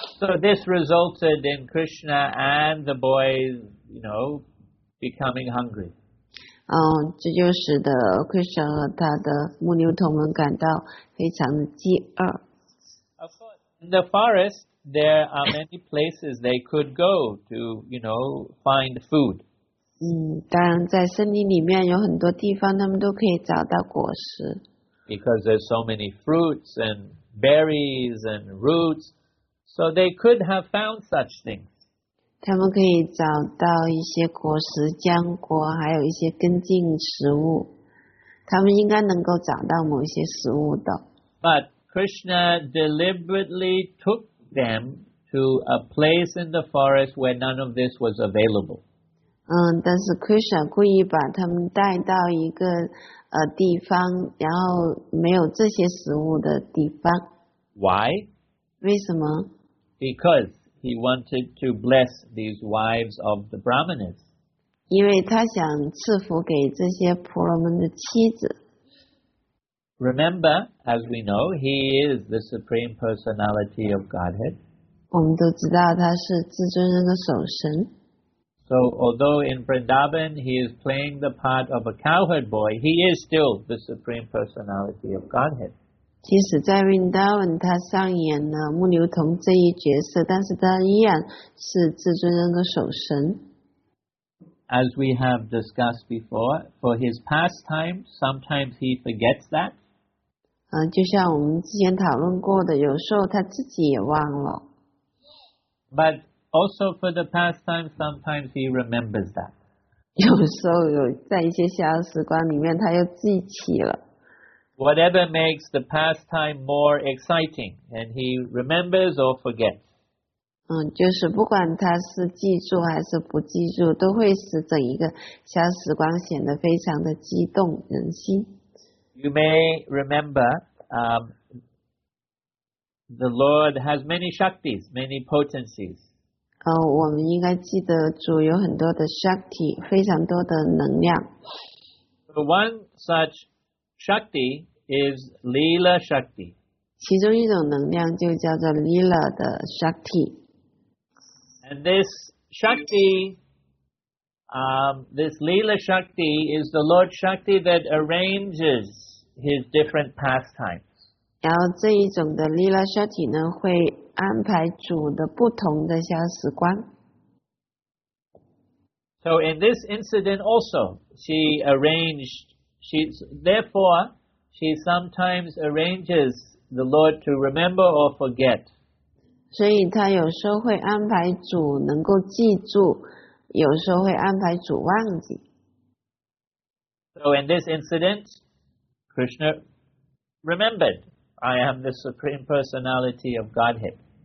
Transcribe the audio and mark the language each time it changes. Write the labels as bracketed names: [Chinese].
[English] So this resulted in Krishna and the boys, you know, becoming hungry. [Chinese] 这就使得 Krishna 和他的牧牛童们感到非常的饥饿。 [English] Of course, in the forest, there are many places they could go to, you know, find food. [Chinese] 当然在森林里面有很多地方他们都可以找到果实。 [English] Because there's so many fruits and berries and roots, so they could have found such things. [Chinese] 他们可以找到一些果实、浆果，还有一些根茎食物。他们应该能够找到某些食物的。 [English] But Krishna deliberately took them to a place in the forest where none of this was available. [Chinese] 但是 Krishna 故意把他们带到一个地方，然后没有这些食物的地方。 [English] Why? [Chinese] 为什么？ [English] Because he wanted to bless these wives of the Brahmanas. [Chinese] 因为他想赐福给这些婆罗门的妻子。 [English] Remember, as we know, he is the Supreme Personality of Godhead. [Chinese] 我们都知道他是至尊人的首神。 [English] So although in Vrindavan he is playing the part of a cowherd boy, he is still the Supreme Personality of Godhead. [Chinese] 即使在 Vrindavan 他上演了牧牛童这一角色，但是他依然是至尊人格首神。 [English] as we have discussed before, for his pastime, sometimes he forgets that. [Chinese] 就像我们之前讨论过的，有时候他自己也忘了。 [English] But also for the pastime, sometimes he remembers that. [Chinese] 有时候有在一些遐想时光里面，他又记起了。 [English] Whatever makes the pastime more exciting, and he remembers or forgets. [Chinese] 就是不管他是记住还是不记住，都会使整一个遐想时光显得非常的激动人心。 [English] You may remember, the Lord has many shaktis, many potencies. [Chinese] 我们应该记得主有很多的 shakti, 非常多的能量。 [English] So one such shakti is lila shakti. [Chinese] 其中一种能量就叫做 lila 的 shakti. [English] And this shakti, this lila shakti is the Lord shakti that arranges his different pastimes. [Chinese] 然后这一种的 Lila Shakti 呢，会安排主的不同的遐想时光。 [English] So in this incident also, she arranged, therefore, she sometimes arranges the Lord to remember or forget. [Chinese] 所以她有时候会安排主能够记住，有时候会安排主忘记。 [English] So in this incident, Krishna remembered. I am the Supreme Personality of Godhead.